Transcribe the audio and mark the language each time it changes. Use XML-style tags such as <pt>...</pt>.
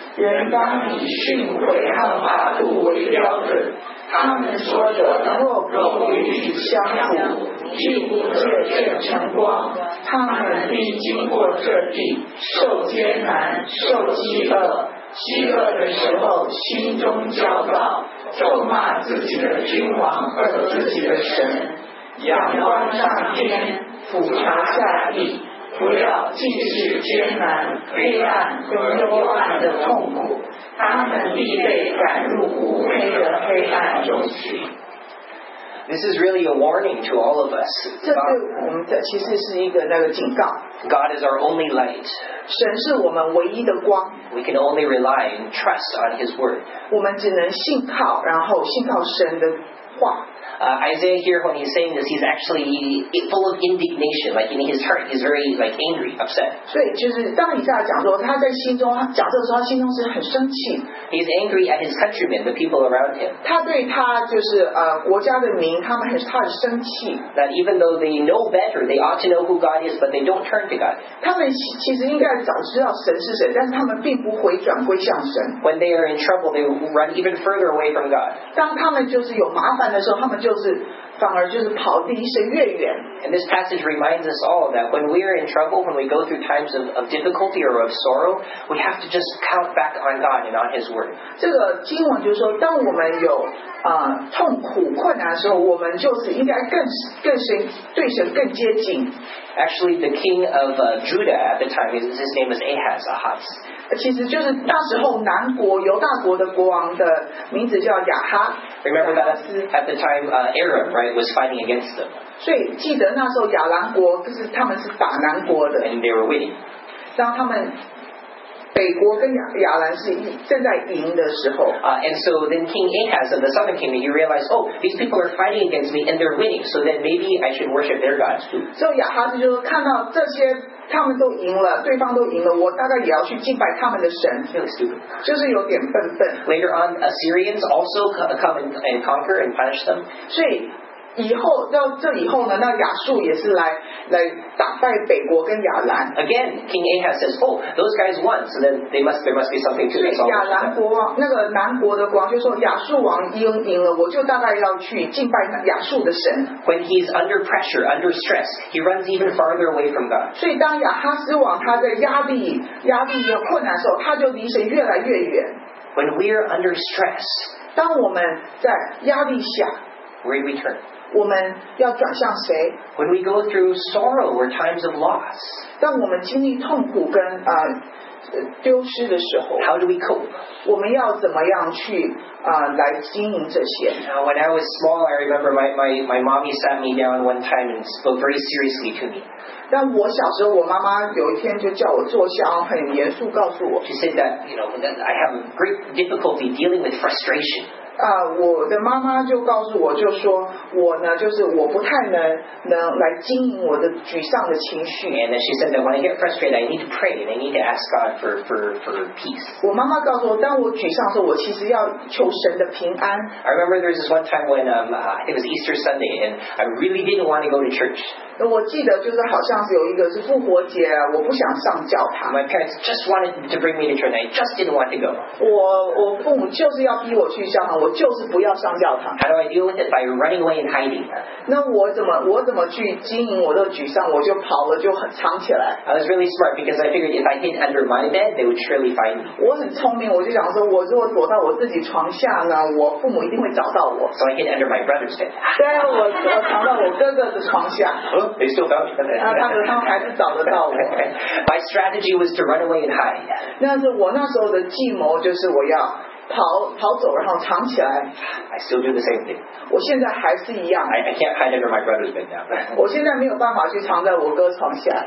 <zh>人当以训诲和法度为标准，他们说的若不与你相符，既不借鉴晨光，他们必经过这地，受艰难，受饥饿，饥饿的时候心中焦躁，咒骂自己的君王和自己的神。仰望上天，俯察下地，不要尽是艰难、黑暗和幽暗的痛苦，他们必被赶入乌黑的黑暗中去。</zh> <en>This is really a warning to all of us.</en> <zh>这对我们的其实是一个那个警告。</zh> <en>God is our only light.</en> <zh>神是我们唯一的光。</zh> <en>We can only rely and trust on His word.</en> <zh>我们只能信靠，然后信靠神的话。</zh> <en>Isaiah here, when he's saying this, he's actually full of indignation, like in his heart, he's very like angry, upset.</en> <zh>所以就是当以赛亚讲说他在心中他讲这个时候，他心中是很生气。</zh> <en>He's angry at his countrymen, the people around him.</en> <zh>他对他就是国家的民，他很生气。</zh> <en>That even though they know better, they ought to know who God is, but they don't turn to God.</en> <zh>他们其实应该早知道神是谁，但是他们并不回转归向神。</zh> <en>When they are in trouble, they run even further away from God.</en> <zh>当他们就是有麻烦的时候，他们就是反而就是跑离神越远。</zh> <en>And this passage reminds us all that when we are in trouble, when we go through times of difficulty or of sorrow, we have to just count back on God and on His word.</en> <zh>这个经文就是说，当我们有痛苦困难的时候，我们就是应该更神，对神更接近。</zh> <en>Actually, the king of Judah at the time, his name was Ahaz, Ahaz.</en> <zh>其实就是那时候南国犹大国的国王的名字叫亚哈。</zh> <en>Remember that at the time, Aram, right, was fighting against them.</en> <zh>所以记得那时候亚兰国就是他们是打南国的。</zh> <en>And they were winning.</en> <zh>当他们北国跟亚兰是正在赢的时候。</zh> <en>And so then King Ahaz of the southern kingdom, he realized, oh, these people are fighting against me and they're winning, so then maybe I should worship their gods too.</en> <zh>所以亚哈就看到这些他们都赢了，对方都赢了，我大概也要去敬拜他们的神。</zh> <en>Really stupid.</en> <zh>就是有点笨笨。</zh> <en>Later on, Assyrians also come and conquer and punish them.</en> <zh>所以以后到这以后呢，那亚述也是来打败北国跟亚兰。</zh> <en>Again, King Ahaz says, "Oh, those guys won, so then there must be something to resolve."</en> <zh>亚兰国王那个南国的国王就说，亚述王赢了，我就大概要去敬拜亚述的神。</zh> <en>When he's under pressure, under stress, he runs even farther away from God.</en> <zh>所以当亚哈斯王他在压力有困难的时候，他就离神越来越远。</zh> <en>When we are under stress,</en> <zh>当我们在压力下</zh> <en>，where we turn.</en> <zh>我们要转向谁？</zh> <en>When we go through sorrow or times of loss,</en> <zh>当我们经历痛苦跟丢失的时候，</zh> <en>How do we cope?</en> <zh>我们要怎么样去来经营这些？</zh> <en>When I was small, I remember my mommy sat me down one time and spoke very seriously to me.</en> <zh>但我小时候，我妈妈有一天就叫我坐下，很严肃告诉我。</zh> <en>She said that, you know, that I have great difficulty dealing with frustration.</en> <zh>我的妈妈就告诉我，就说我呢，就是我不太能来经营我的沮丧的情绪。</zh> <en>And then she said that when I get frustrated, I need to pray and I need to ask God for peace.</en> <zh>我妈妈告诉我，当我沮丧的时候，我其实要求神的平安。</zh> <en>I remember there was this one time when it was Easter Sunday and I really didn't want to go to church.</en> <zh>那我记得就是好像是有一个是复活节，我不想上教堂。</zh> <en>My parents just wanted to bring me to church, they just didn't want to go.</en> <zh>我父母就是要逼我去教堂，我就是不要上教堂。</zh> <en>How do I deal with it? By running away and hiding.</en> <zh>那我怎么去经营我的沮丧？我就跑了，就很藏起来。</zh> <en>I was really smart because I figured if I hid under my bed, they would surely find me.</en> <zh>我很聪明，我就想说，我如果躲到我自己床下呢，我父母一定会找到我。</zh> <en>So I hid under my brother's bed.</en> <zh>对啊，我藏到我哥哥的床下。</zh> <en>They still found me.</en> <zh>他们还是找得到我。</zh> <en>My strategy was to run away and hide.</en> <zh>那是我那时候的计谋，就是我要跑走，然后藏起来。</zh> <en>I still do the same thing.</en> <zh>我现在还是一样。</zh> <en>I can't hide under my brother's bed now.</en> <zh>我现在没有办法去藏在我哥床下。</zh>